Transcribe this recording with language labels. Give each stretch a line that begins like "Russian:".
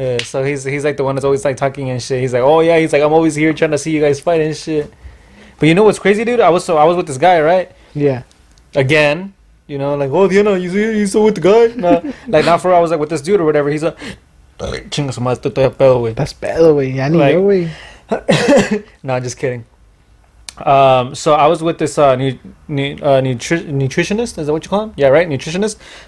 English: So he's like the one that's always like talking and shit. He's like, oh yeah. He's like, I'm always here trying to see you guys fight and shit. But you know what's crazy, dude? I was with this guy, right? Yeah. Again, you know, like, oh, Diana, you still with the guy? No, like not for real. I was like with this dude or whatever. He's like,
Spanish: chingas más, tú estás pedo, güey.
English: That's
Spanish: pedo, güey. Ya ni yo, güey.
English: No, just kidding. So I was with this nutritionist, is that what you call him? Yeah, right, nutritionist.